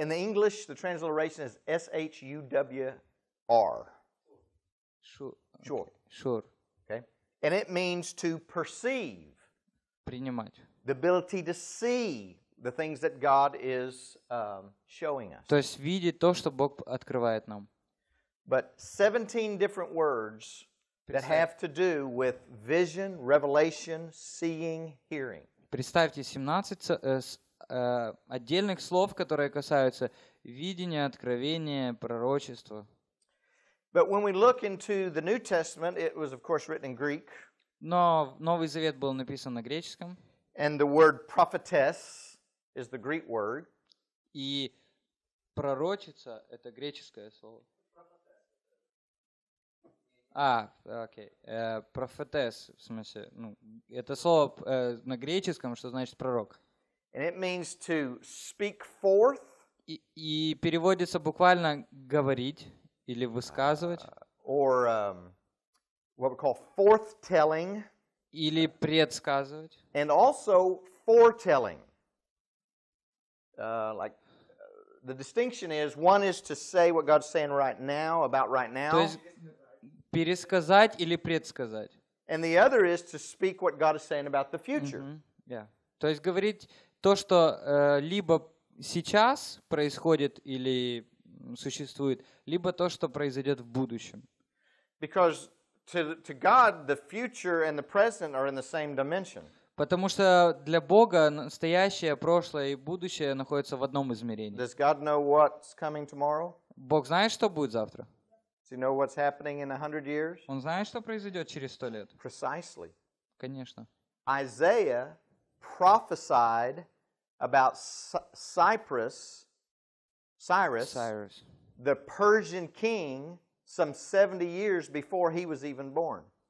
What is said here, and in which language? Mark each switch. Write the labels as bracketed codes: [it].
[en] In the English, the transliteration is S-H-U-W-R. Sure. Sure. Okay. And it means to perceive. [ru] Принимать. [en] The ability to see the things that God is showing us. [ru] То есть видеть то, что Бог открывает нам. [en] But 17 different words that have to do with vision, revelation, seeing, hearing. [ru] Представьте, 17 отдельных слов, которые касаются видения, откровения, пророчества. [en] But when we look into the New Testament, it was, of course, written in Greek. [ru] Но Новый Завет был написан на греческом. [en] And the word prophetess is the Greek word. [ru] И пророчица — это греческое слово. Prophetess, в смысле, ну, это слово на греческом, что значит пророк. [en] And it means to speak forth. [ru] и переводится буквально говорить или высказывать. [en] What we call forthtelling. [ru] Или предсказывать. [en] And also foretelling. The distinction is one is to say what God's saying right now about right now. [ru] То есть пересказать или предсказать. [en] And the other is to speak what God is saying about the future. Mm-hmm. Yeah. [ru] То есть говорить то, что либо сейчас происходит или существует, либо то, что произойдет в будущем. [en] Because to God, the future and the present are in the same dimension. [ru] Потому что для Бога настоящее, прошлое и будущее находятся в одном измерении. [en] Does God know what's coming tomorrow? [ru] Бог знает, что будет завтра? [en] Do you know what's happening in 100 years? [ru] Он знает, что произойдет через 100 лет. [en] Precisely. [ru] Конечно. [en] Isaiah prophesied about Cyrus, the Persian king, some 70 years before he was even born.